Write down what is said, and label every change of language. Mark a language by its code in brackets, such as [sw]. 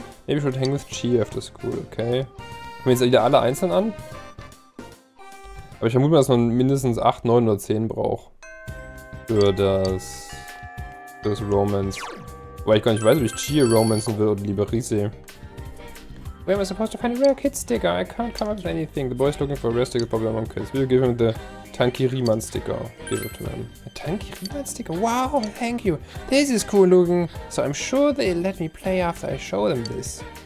[en] Maybe we should hang with Chi after school, okay? [de] Haben wir jetzt wieder alle einzeln an? Aber ich vermute mal, dass man mindestens 8, 9 oder 10 braucht. Für das Romance. Weil ich gar nicht weiß, ob ich Chi romancen will oder lieber Rise. [en] Where am I supposed to find a rare kid sticker? I can't come up with anything. The boy's looking for a rare sticker for among kids. We'll give him the Tanki Riemann sticker. Give it to him. A Tanki Riemann sticker? Wow, thank you. This is cool looking. So I'm sure they'll let me play after I show them this.